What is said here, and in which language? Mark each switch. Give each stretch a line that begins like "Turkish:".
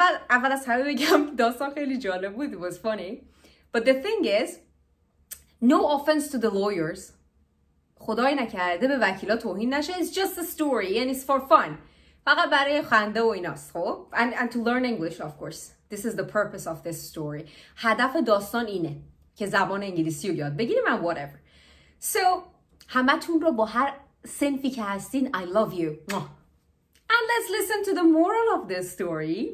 Persian: اول از همه بگم داستان خیلی جالب بود.
English: It was funny. But the thing is, no offense to the lawyers.
Persian: خدای نکرده به وکیلا توهین نشه.
English: It's just a story and it's for fun.
Persian: فقط برای خنده و ایناست. خب؟
English: And to learn English, of course. This is the purpose of this story.
Persian: هدف داستان اینه که زبان انگلیسی رو یاد بگیریم
English: and whatever.
Persian: So, همه تون رو با هر سنفی که هستین,
English: I love you. And let's listen to the moral of this story.